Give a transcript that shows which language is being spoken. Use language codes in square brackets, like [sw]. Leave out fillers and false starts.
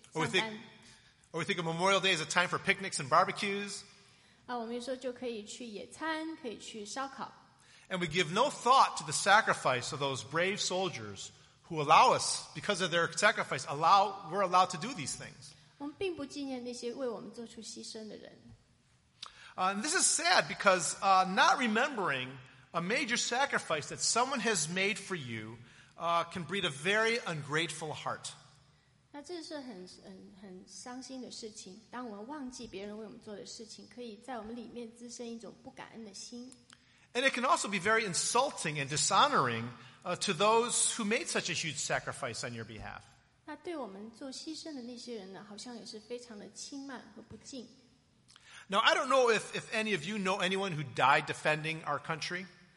[en] Or we think of Memorial Day as a time for picnics and barbecues. [zh] 我们说就可以去野餐，可以去烧烤。 [en] And we give no thought to the sacrifice of those brave soldiers who allow us, because of their sacrifice, we're allowed to do these things. [zh] 我们并不纪念那些为我们做出牺牲的人。 [en] This is sad because not remembering a major sacrifice that someone has made for you can breed a very ungrateful heart. [zh] 那这是很伤心的事情，当我们忘记别人为我们做的事情，可以在我们里面滋生一种不感恩的心。 [en] And it can also be very insulting and dishonoring to those who made such a huge sacrifice on your behalf. [zh] 那对我们做牺牲的那些人呢，好像也是非常的轻慢和不敬。 [en] Now, I don't know if any of you know anyone who died defending our country.